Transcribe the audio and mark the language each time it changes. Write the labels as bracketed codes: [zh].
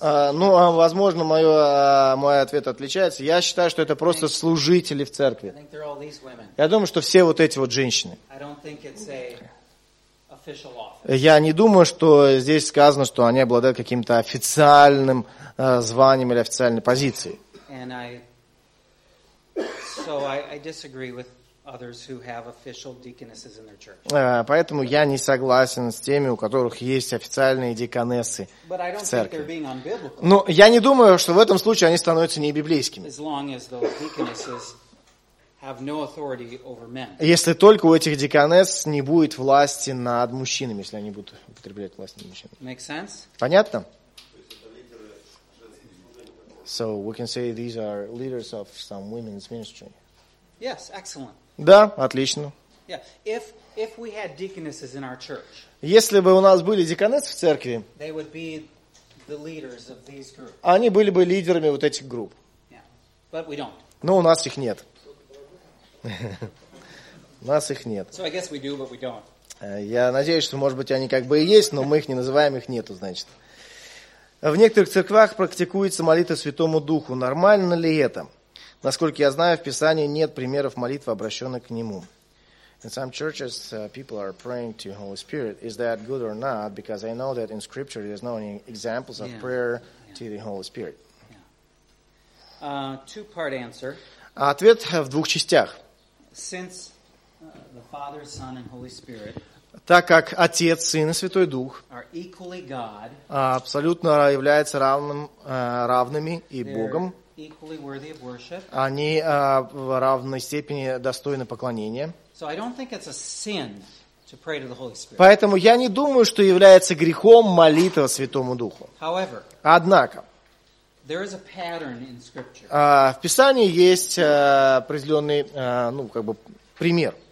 [ru] Ну, возможно, мой ответ отличается. Я считаю, что это просто служители в церкви. [en] I think they're all these women. [ru] Я думаю, что все вот эти вот женщины. [en] I don't think it's a official office. [ru] Я не думаю, что здесь сказано, что они обладают каким-то официальным званием или официальной позицией. [en] And I disagree with others who have official deaconesses in their church. [ru] Поэтому я не согласен с теми, у которых есть официальные деканессы в церкви. [en] But I don't think they're being unbiblical. [ru] Но я не думаю, что в этом случае они становятся небиблейскими. [en] As long as those deaconesses have no authority over men. [ru] Если только у этих деканесс не будет власти над мужчинами, если они будут употреблять власть над мужчинами. [en] Make sense? [ru] Понятно? [en] So we can say these are leaders of some women's ministry. Yes, excellent. [ru] Да, отлично. [en] Yeah. If we had deaconesses in our church, [ru] если бы у нас были деканессы в церкви, [en] they would be the leaders of these groups. [ru] Они были бы лидерами вот этих групп. [en] Yeah. But we don't. [ru] Но у нас их нет. У нас их нет. [en] So I guess we do, but we don't. [ru] Я надеюсь, что, может быть, они как бы и есть, но мы их не называем, их нету, значит. В некоторых церквах практикуется молитва Святому Духу. Нормально ли это? Насколько я знаю, в Писании нет примеров молитвы, обращенных к Нему. [en] In some churches, people are praying to the Holy Spirit. Is that good or not? Because I know that in Scripture there's no examples of prayer to the Holy Spirit. Two-part answer. [ru] Ответ в двух частях. [en] Since the Father, Son, and Holy Spirit. [ru] Так как Отец, Сын и Святой Дух [en] God, [ru] абсолютно являются равными и Богом. [en] Equally worthy of worship. [ru] Они в равной степени достойны поклонения. [en] So I don't think it's a sin to pray to the Holy Spirit. [ru] Поэтому я не думаю, что является грехом молитва Святому Духу. [en] However, [ru] однако, [en] there is a pattern in Scripture. [ru] В Писании есть определенный, пример.